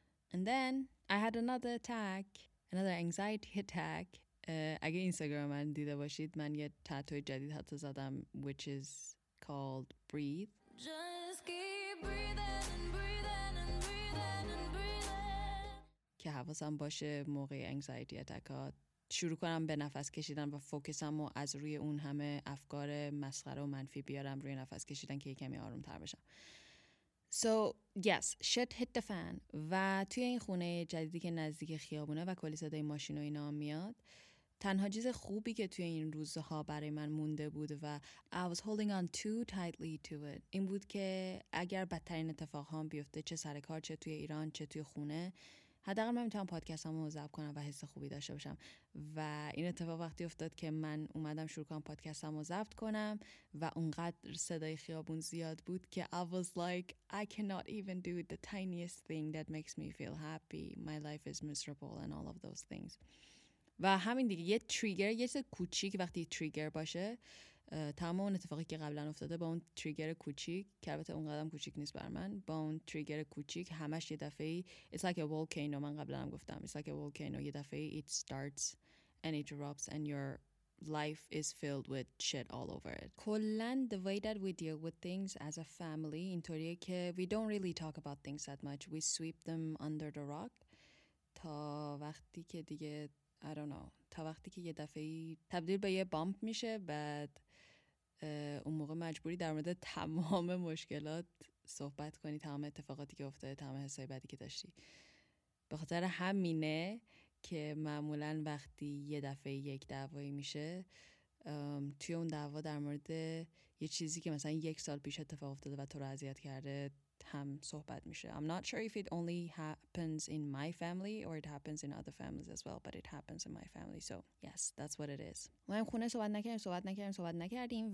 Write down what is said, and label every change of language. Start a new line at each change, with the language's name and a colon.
English: And then I had another attack, another anxiety attack.
Persian: اگه اینستاگرام من دیده باشید، من یه تاتو جدید حتی زدم
English: which is called breathe. Just keep breathing and breathing and breathing and breathing.
Persian: که حواسم باشه موقع anxiety attack شروع کنم به نفس کشیدن و فوکسم و از روی اون همه افکار مسخره و منفی بیارم روی نفس کشیدن که یکمی آروم تر بشم.
English: So yes, shit hit the fan.
Persian: و توی این خونه جدیدی که نزدیک خیابونه و کلی صدای ماشین و اینا میاد، تنها چیز خوبی که توی این روزها برای من مونده بود و
English: I was holding on too tightly to it
Persian: این بود که اگر بدترین اتفاق هم بیفته، چه سر کار، چه توی ایران، چه توی خونه، حداقل من میتونم پادکستامو ضبط کنم و حس خوبی داشته باشم. و این اتفاق وقتی افتاد که من اومدم شروع کنم پادکستامو ضبط کنم و اونقدر صدای خیابون زیاد بود که
English: I was like I cannot even do the tiniest thing that makes me feel happy. My life is miserable and all of those things.
Persian: و همین دیگه، یه تریگر، یه چیز کوچیک وقتی تریگر باشه، تمام اون اتفاقی که قبلا افتاده با اون تریگر کوچیک، که البته اون قدم کوچیک نیست بر من، با اون تریگر کوچیک همش یه دفعه
English: it's like a volcano.
Persian: من قبلا هم گفتم
English: it's like a volcano،
Persian: یه دفعه
English: it starts and it erupts and your life is filled with shit all over it.
Persian: کلن
English: the way that we deal with things as a family
Persian: اینطوریه که
English: we don't really talk about things that much. We sweep them under the rock
Persian: تا وقتی که دیگه
English: I don't know.
Persian: تا وقتی که یه دفعه تبدیل به یه بامپ میشه، بعد اون موقع مجبوری در مورد تمام مشکلات صحبت کنی، تمام اتفاقاتی که افتاده، تمام حسای بدی که داشتی. به خاطر همینه که معمولا وقتی یه دفعه یک دعوایی میشه، توی اون دعوا در مورد یه چیزی که مثلا یک سال پیش اتفاق افتاده و تو رو اذیت کرده هم صحبت میشه.
English: I'm not sure if it only happens in my family or it happens in other families as well, but it happens in my family. So yes, that's what it is.
Persian: ما هم خونه صحبت نکردیم، صحبت نکردیم، صحبت نکردیم.